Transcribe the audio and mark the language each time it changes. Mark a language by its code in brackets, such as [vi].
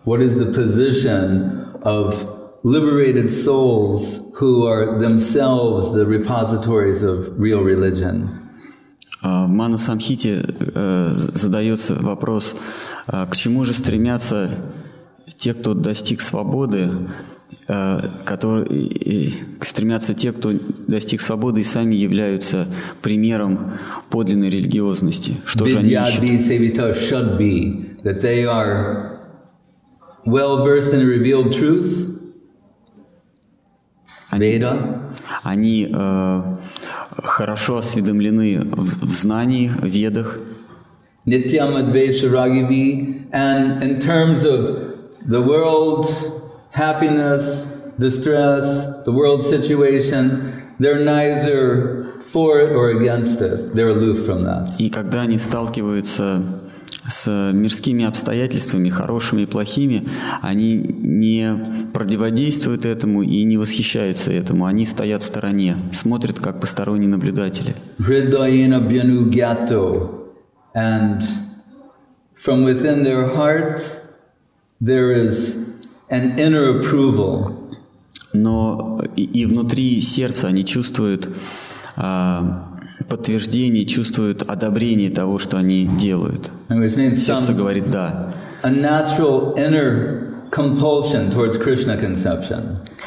[en] What is the position of liberated souls who are themselves the repositories of real religion? [ru] В Ману Самхите задается вопрос, к чему же стремятся те, кто достиг свободы, которые стремятся те, кто достиг свободы и сами являются примером подлинной религиозности. Что же они ищут? [sa] Vidyādhi sevita [en] should be, that they are well-versed in revealed truth, Veda. [ru] Они хорошо осведомлены в знании, в ведах. [sa] Nityam advesha ragivi, [en] and in terms of the world, happiness, distress, the world situation, they're neither for it or against it. They're aloof from that. [ru] И когда они сталкиваются с мирскими обстоятельствами, хорошими и плохими, они не противодействуют этому и не восхищаются этому. Они стоят в стороне, смотрят как посторонние наблюдатели. [sa] Hridayena binu gyato. [en] And from within their heart there is an inner approval. [ru] Но и внутри сердца они чувствуют подтверждение, чувствуют одобрение того, что они делают. Сердце говорит «да». [en] A natural inner compulsion towards Krishna conception.